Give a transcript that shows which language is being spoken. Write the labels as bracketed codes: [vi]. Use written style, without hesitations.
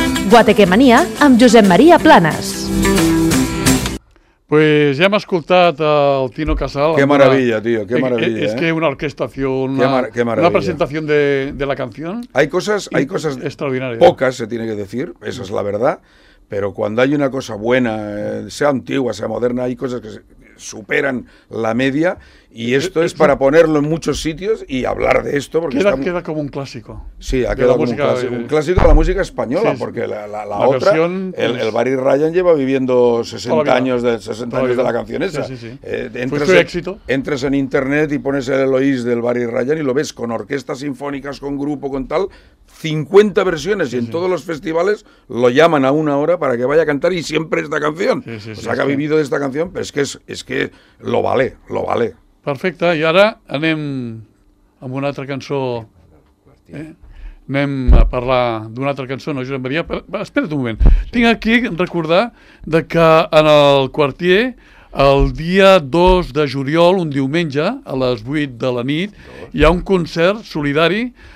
[ca] Guatequemania amb Josep Maria Planas. Pues ja hem escoltat el Tino Casal. [es] Qué maravilla, tío, qué maravilla. Es que una orquestación, una presentación de la canción. Hay cosas extraordinarias. Pocas se tiene que decir, esa es la verdad, pero cuando hay una cosa buena, sea antigua, sea moderna, hay cosas que superan la media y esto es para ponerlo en muchos sitios y hablar de esto porque queda como un clásico. Sí, ha quedado como un clásico de la música española, sí, porque la otra, el Barry Ryan lleva viviendo 60 años de la canción esa. Sí, sí, sí. Entras en internet y pones el Eloís del Barry Ryan y lo ves con orquestas sinfónicas, con grupo, con tal, 50 versiones, sí, y en todos los festivales lo llaman a una hora para que vaya a cantar y siempre esta canción. Sí, ha vivido de esta canción, pero es que lo vale. [ca] Perfecte, i ara anem amb una altra cançó, anem a parlar d'una altra cançó, no, Josep Maria, espera't un moment, sí. Tinc aquí recordar de que en el Quartier, el dia 2 de juliol, un diumenge, a les 8 de la nit, hi ha un concert solidari